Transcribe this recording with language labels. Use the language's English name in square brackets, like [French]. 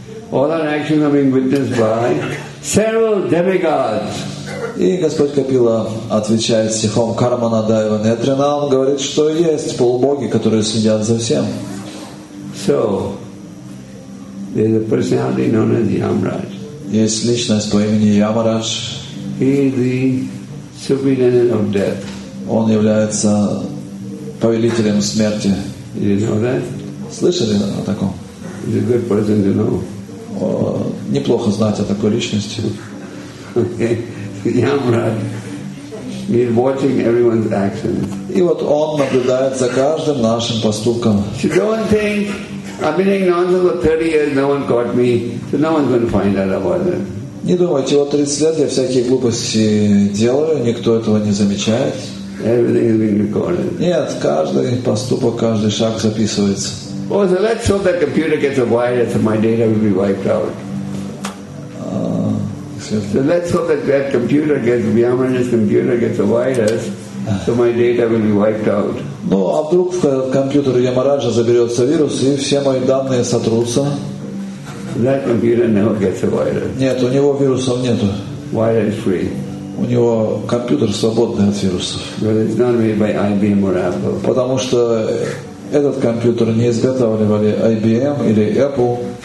[English] All our actions are being witnessed by several demigods. [Russian] И Господь Капила отвечает стихом Кармана Дайва Нетрина. Он говорит, что есть полубоги, которые следят за всем. [English] So, there's a personality known as Yamraj. [Russian] Есть личность по имени Ямарадж. [English] He is the superintendent of death. [Russian] Он является повелителем смерти. [English] You know that? [Russian] Слышали о таком? [English] It's a good person to know. [Russian] Неплохо знать о такой личности. [English] Okay. Yamraj. He's watching everyone's actions. [Russian] И вот он наблюдает за каждым нашим поступком. [English] So don't think I've been in nonsense for 30 years, no one caught me, so no one's going to find out about it. [Russian] Не думайте, вот 30 лет я всякие глупости делаю, никто этого не замечает. [English] Everything is being recorded. [Russian] Нет, каждый поступок, каждый шаг записывается. [English] Oh, so let's hope that computer gets a virus and my data will be wiped out. So let's hope that that computer gets, Vyamaraj's computer gets a virus, so my data will be wiped out. [Russian] Ну, а вдруг в компьютер Ямараджа заберется вирус и все мои данные сотрутся? [English] That computer never gets a virus. [Russian] Нет, у него вирусов нету. [English] Virus free. [Russian] У него компьютер свободный от вирусов. [English] But it's not made by IBM or Apple. [Russian] Потому что этот компьютер не изготавливали IBM или Apple.